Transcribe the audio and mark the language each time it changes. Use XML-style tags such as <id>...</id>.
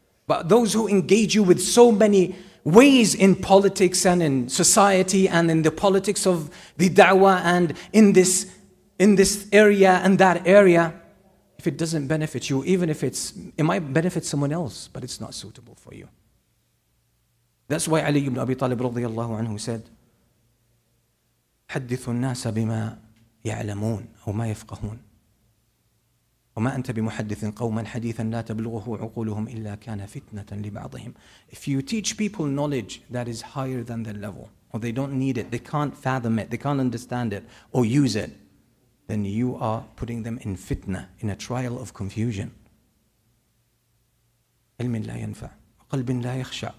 <en>But those who engage you with so many ways in politics and in society and in the politics of the da'wah and in this area and that area, if it doesn't benefit you, it might benefit someone else, but it's not suitable for you.</en> <ar>That's why Ali ibn Abi Talib radiallahu anhu said, حدث الناس بما يعلمون أو ما يفقهون وما أنت بمحدث قوما حديثا لا تبلغه عقولهم إلا كان فتنة لبعضهم.</ar> <en>If you teach people knowledge that is higher than their level, or they don't need it, they can't fathom it, they can't understand it or use it, then you are putting them in fitna, in a trial of confusion.</en> <ar>علم لا ينفع وقلب لا يخشع.</ar>